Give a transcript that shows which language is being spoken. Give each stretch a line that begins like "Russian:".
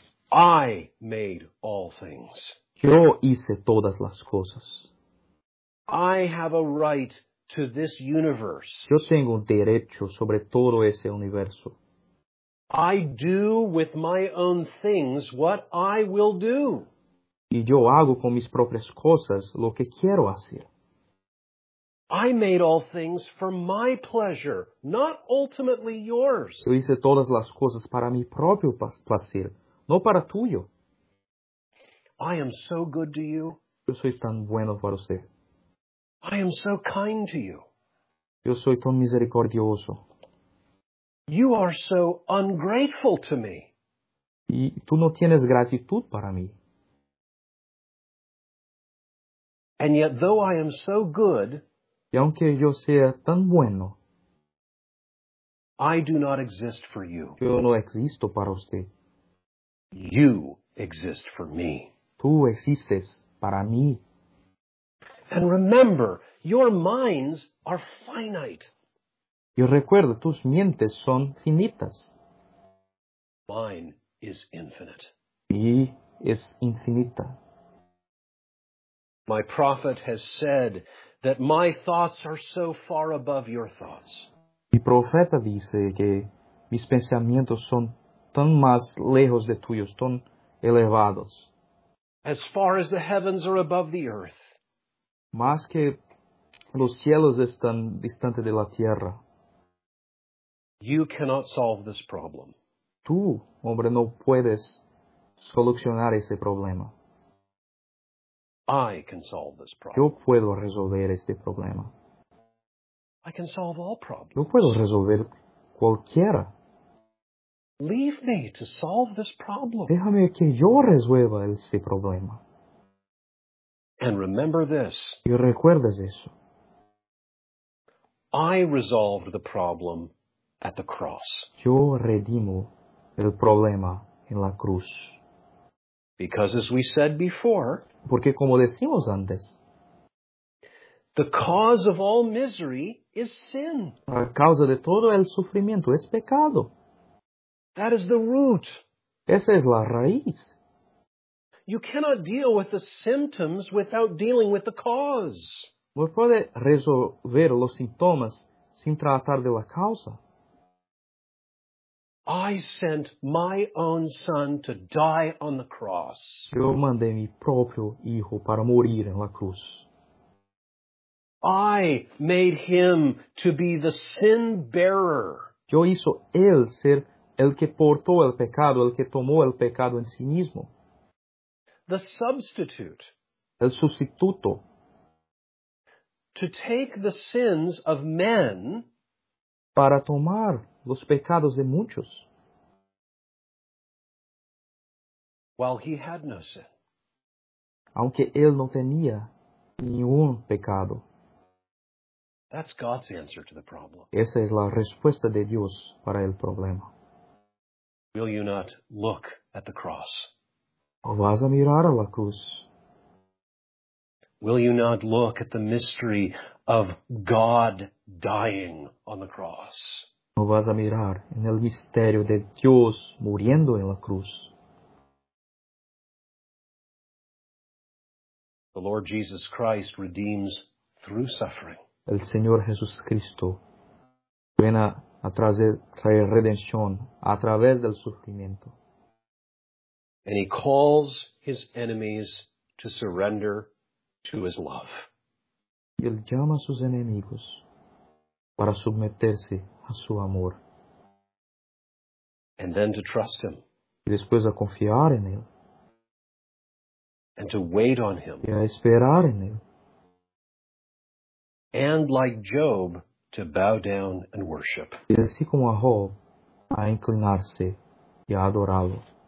English: I made all things.
Spanish: Yo hice todas las cosas.
English: I have a right to this universe.
Spanish: Yo tengo un derecho sobre todo ese universo.
English: I do with my own things what I will do.
Spanish: Y yo hago con mis propias cosas lo que quiero hacer.
English: I made all things for my pleasure, not ultimately yours.
Spanish: Yo hice todas las cosas para mi propio placer, no para tuyo.
English: I am so good to you.
Spanish: Yo soy tan bueno para usted.
English: I am so kind to you.
Spanish: Yo soy tan misericordioso.
English: You are so ungrateful to me.
Spanish: Y tú no tienes gratitud para mí.
English: And yet, though I am so good,
Spanish: y aunque yo sea tan bueno,
English: I do not exist for you.
Spanish: Yo no existo para usted.
English: You exist for me.
Spanish: Tú existes para mí.
English: And remember, your minds are finite.
Spanish: Y recuerda, tus mentes son finitas.
English: Mine is infinite.
Spanish: Y es infinita.
English: My prophet has said that my thoughts are so far above your thoughts.
Spanish: Mi profeta dice que mis pensamientos son tan más lejos de tuyos, tan elevados.
English: As far as the heavens are above the earth.
Spanish: Más que los cielos están distantes de la tierra.
English: You cannot solve this problem.
Spanish: Tú, hombre, no puedes solucionar ese problema.
English: I can solve this problem.
Spanish: Yo puedo resolver este problema.
English: I can solve all problems.
Spanish: Yo puedo resolver cualquiera.
English: Leave me to solve this problem.
Spanish: Déjame que yo resuelva este problema.
English: And remember this.
Spanish: Y recuerdas eso.
English: I resolved the problem at the cross.
Spanish: Yo redimo el problema en la cruz.
English: Because as we said before,
Spanish: porque como decimos antes,
English: the cause of all misery is sin.
Spanish: La causa de todo el sufrimiento es pecado.
English: That is the root.
Spanish: Esa es la raíz.
English: You cannot deal with the symptoms without dealing with the cause.
Spanish: No puede resolver los síntomas sin tratar de la causa.
English: I sent my own son to die on the cross.
Spanish: Yo mandé mi propio hijo para morir en la cruz.
English: I made him to be the sin bearer.
Spanish: Yo hizo él ser el que portó el pecado, el que tomó el pecado en sí mismo.
English: The substitute.
Spanish: El sustituto.
English: To take the sins of men.
Spanish: Para tomar los pecados de muchos.
English: While he had no sin.
Spanish: Aunque él no tenía ningún pecado.
English: That's God's answer to the problem.
Spanish: Esa es la respuesta de Dios para el problema.
English: Will you not look at the cross?
Spanish: ¿O vas a mirar a la cruz?
English: Will you not look at the mystery of God dying on the cross?
Spanish: ¿O vas a mirar en el misterio de Dios muriendo en la cruz?
English: The Lord Jesus Christ redeems through suffering.
Spanish: El Señor Jesucristo viene a traer redención a través del sufrimiento.
English: And he calls his enemies to surrender to his love.
Spanish: Y él llama a sus enemigos para someterse a su amor.
English: And then to trust him.
Spanish: Y después a confiar en él.
English: And to wait on him.
Spanish: Y a esperar en él.
English: And like Job, to bow down and worship.
Spanish: Y así como a Job, a inclinarse y a adorarlo.